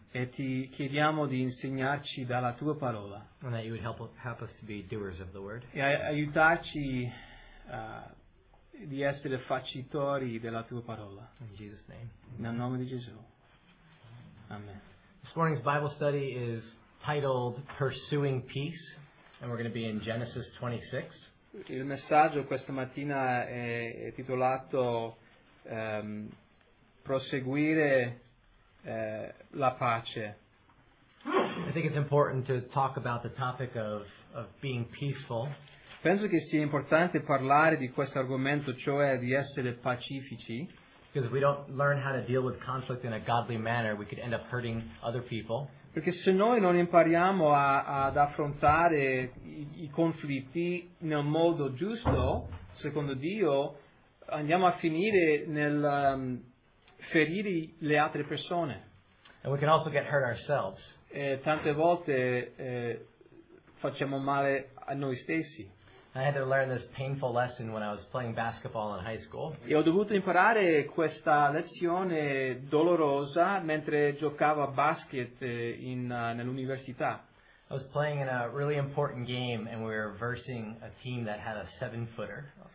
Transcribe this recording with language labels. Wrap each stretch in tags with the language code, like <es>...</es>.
<it>E ti chiediamo di insegnarci dalla tua parola.</it> <en>And that you would help us to be doers of the word.</en> <it>E aiutarci di essere facitori della tua parola.</it> <en>In Jesus' name.</en> <it>Nel nome di Gesù. Amen.</it> <en>This morning's Bible study is titled Pursuing Peace, and we're going to be in Genesis 26.</en> <it>Il messaggio questa mattina è titolato Proseguire la pace.</it> <en>I think it's important to talk about the topic of being peaceful.</en> <it>Penso che sia importante parlare di questo argomento, cioè di essere pacifici.</it> <en>Because if we don't learn how to deal with conflict in a godly manner, we could end up hurting other people.</en> <it>Perché se noi non impariamo ad affrontare i conflitti nel modo giusto, secondo Dio, andiamo a finire nel ferire le altre persone.</it> <en>And we can also get hurt ourselves.</en> <it>E tante volte facciamo male a noi stessi.</it> <en>I had to learn this painful lesson when I was playing basketball in high school.</en> <it>E ho dovuto imparare questa lezione dolorosa mentre giocavo a basket nell'università.</it> <en>I was playing in a really important game and we were versing a team that had a 7-footer.</en>